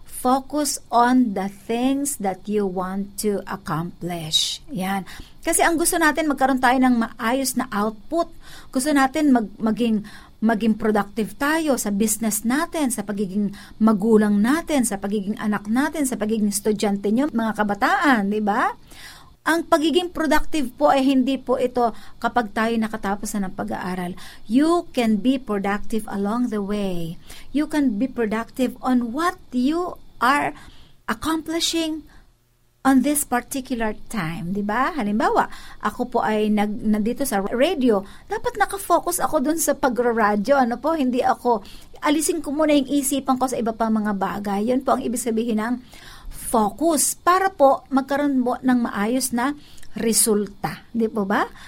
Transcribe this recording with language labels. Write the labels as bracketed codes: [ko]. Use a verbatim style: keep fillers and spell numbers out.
[en] Focus on the things that you want to accomplish. [tl] Yan. Kasi ang gusto natin, magkaroon tayo ng maayos na output. Gusto natin mag, maging maging productive tayo sa business natin, sa pagiging magulang natin, sa pagiging anak natin, sa pagiging estudyante nyo, mga kabataan, di ba? Ang pagiging productive po ay hindi po ito kapag tayo nakatapos na ng pag-aaral. [en] You can be productive along the way. You can be productive on what you are accomplishing on this particular time, [tl] di ba? Halimbawa, ako po ay nag, nandito sa radio, dapat nakafocus ako dun sa pagro-radio, ano po, hindi ako, alisin ko muna yung isipan ko sa iba pang mga bagay. Yun po ang ibig sabihin ng focus, para po magkaroon mo ng maayos na resulta, di po ba?